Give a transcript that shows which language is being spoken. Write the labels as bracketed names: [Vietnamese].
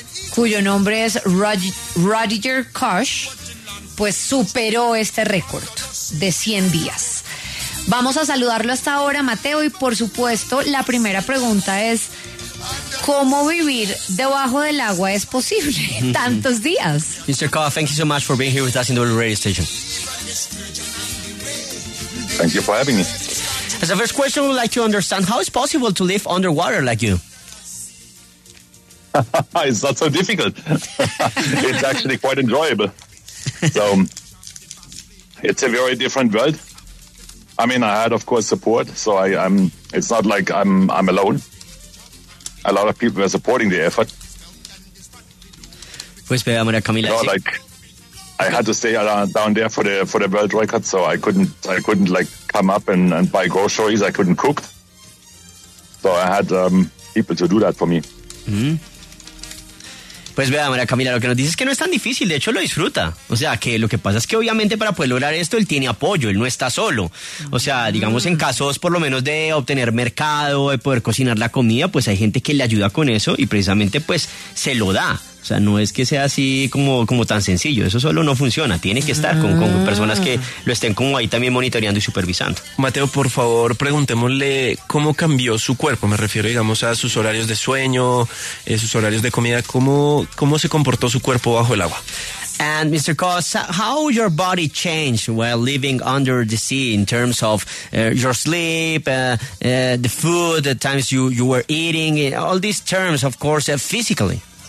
[Spanish] cuyo nombre es Rudiger Kosch, pues superó este récord de 100 días. Vamos a saludarlo hasta ahora, Mateo, y por supuesto, la primera pregunta es: ¿cómo vivir debajo del agua es posible tantos días? [English] Mr. Kosch, thank you so much for being here with us in the radio station. Thank you for having me. As a first question, we'd like to understand, how is possible to live underwater like you? It's not so difficult. It's actually quite enjoyable. So, it's a very different world. I mean, I had, of course, support. So, it's not like I'm alone. A lot of people are supporting the effort. [Spanish] Pues, pero, María Camila, [English] you know, like, I had to stay down there for the world record, so I couldn't like come up and buy groceries. I couldn't cook, so I had people to do that for me. Mm-hmm. [Spanish] Pues vea, María Camila, lo que nos dice es que no es tan difícil, de hecho lo disfruta. O sea, que lo que pasa es que obviamente para poder lograr esto él tiene apoyo, él no está solo. O sea, digamos en casos por lo menos de obtener mercado, de poder cocinar la comida, pues hay gente que le ayuda con eso y precisamente pues se lo da. O sea, no es que sea así como tan sencillo, eso solo no funciona. Tiene que estar con personas que lo estén como ahí también monitoreando y supervisando. Mateo, por favor, preguntémosle cómo cambió su cuerpo. Me refiero, digamos, a sus horarios de sueño, sus horarios de comida. ¿Cómo se comportó su cuerpo bajo el agua? [English] And Mr. Kosch, how your body changed while living under the sea in terms of your sleep, the food, the times you were eating, all these terms, of course, physically?